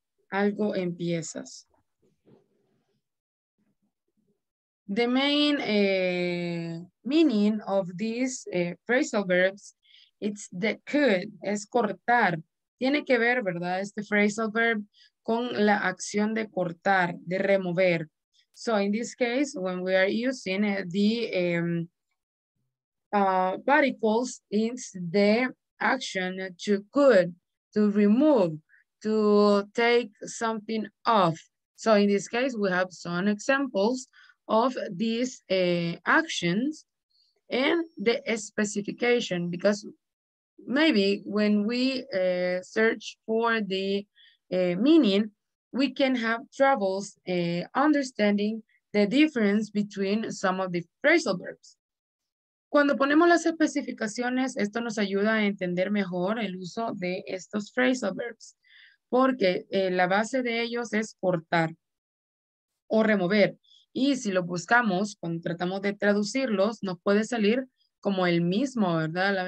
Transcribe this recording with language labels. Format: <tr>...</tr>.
<es>Algo en piezas.</es> <en>The main meaning of these phrasal verbs, it's the could,</en> <es>es cortar. Tiene que ver, ¿verdad? Este phrasal verb con la acción de cortar, de remover.</es> <en>So in this case, when we are using the particles, it's the action to could, to remove, to take something off. So in this case, we have some examples of these actions and the specification, because maybe when we search for the meaning, we can have troubles understanding the difference between some of the phrasal verbs.</en> <es>Cuando ponemos las especificaciones, esto nos ayuda a entender mejor el uso de estos phrasal verbs, porque la base de ellos es cortar o remover. Y si lo buscamos, cuando tratamos de traducirlos, nos puede salir como el mismo, ¿verdad?</es>